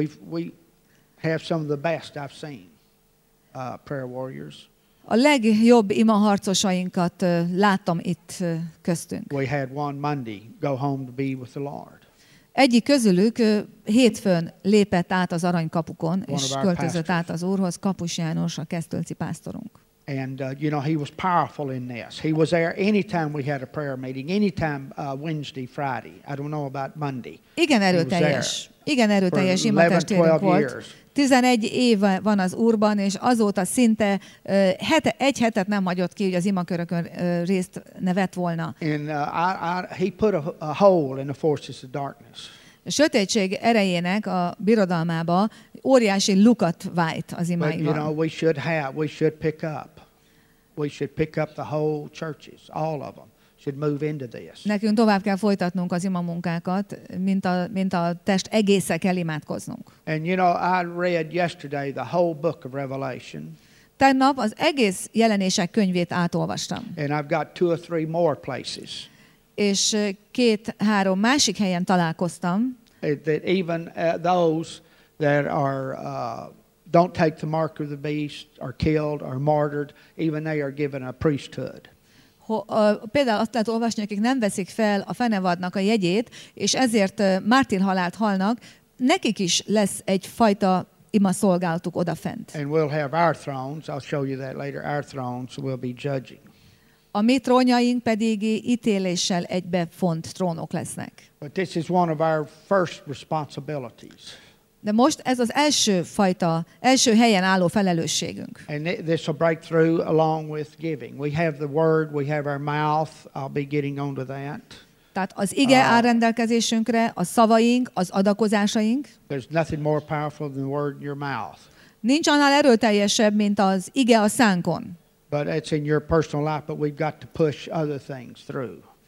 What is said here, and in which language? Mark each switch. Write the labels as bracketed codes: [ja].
[en] We have some of the best I've seen. Prayer warriors. [hu] A legjobb imaharcosainkat láttam itt köztünk. [en] We had one Monday go home to be with the Lord. [hu] Egyik közülük hétfőn lépett át az aranykapukon, és költözött át az Úrhoz, Kapus János, a Kesztölci pásztorunk. [en] And you know, he was powerful in this. He was there anytime we had a prayer meeting, anytime Wednesday, Friday. I don't know about Monday. [hu] Igen erőteljes imatestvérünk volt. 11 éve van az Úrban, és azóta szinte egy hetet nem hagyott ki, hogy az imakörökön részt ne vett volna. [en] He put a hole in the forces of darkness. [hu] A sötétség erejének a birodalmába óriási lukat vájt az imáiban. [en] You know, we should pick up the whole churches, all of them. Should move into this. [hu] Nekünk tovább kell folytatnunk az imamunkákat, mint a test egésze kell imádkoznunk. [en] And you know, I read yesterday the whole book of Revelation. [hu] Tegnap az egész jelenések könyvét átolvastam. [en] And I've got two or three more places. [hu] És két-három másik helyen találkoztam. [en] That even those that are don't take the mark of the beast, are killed, are martyred, even they are given a priesthood. [hu] Például azt lehet olvasni, akik nem veszik fel a fenevadnak a jegyét, és ezért mártír halált halnak, nekik is lesz egy fajta ima szolgálatuk odafent. [en] And we'll have our thrones. I'll show you that later. Our thrones will be judging. [hu] A mi trónjaink pedig ítéléssel egybe font trónok lesznek. [en] But this is one of our first responsibilities. [hu] De most ez az első fajta, első helyen álló felelősségünk. [en] And this will break through along with giving. We have the word, we have our mouth. I'll be getting on to that. [hu] Tehát az ige áll rendelkezésünkre, a szavaink, az adakozásaink. [en] There's nothing more powerful than the word in your mouth. [hu] Nincs annál erőteljesebb, mint az ige a szánkon. [en] But it's in your personal life, but we've got to push other things through.